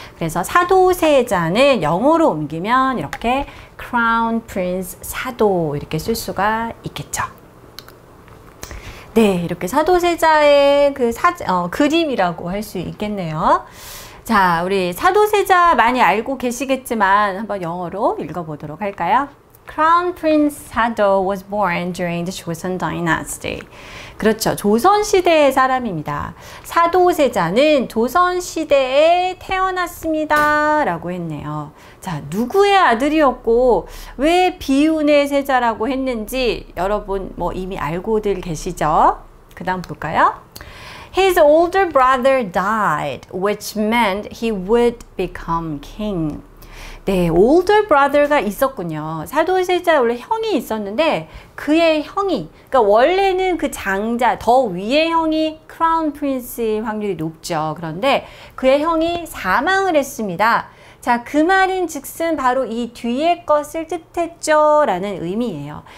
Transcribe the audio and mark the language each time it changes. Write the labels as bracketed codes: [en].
[ko] 그래서 사도세자는 영어로 옮기면 이렇게 Crown Prince 사도 이렇게 쓸 수가 있겠죠. 네, 이렇게 사도세자의 그림이라고 할 수 있겠네요. 자, 우리 사도세자 많이 알고 계시겠지만 한번 영어로 읽어보도록 할까요? [en] Crown Prince Sado was born during the Joseon Dynasty. [ko] 그렇죠. 조선시대의 사람입니다. 사도세자는 조선시대에 태어났습니다. 라고 했네요. 자, 누구의 아들이었고 왜 비운의 세자라고 했는지 여러분 뭐 이미 알고들 계시죠? 그 다음 볼까요? [en] His older brother died, which meant he would become king. [ko] 네, [en] older brother [ko] 가 있었군요. 사도세자 원래 형이 있었는데 그의 형이, 그러니까 원래는 그 장자, 더 위의 형이 크라운 프린스일 확률이 높죠. 그런데 그의 형이 사망을 했습니다. 자, 그 말인 즉슨 바로 이 뒤의 것을 뜻했죠 라는 의미예요.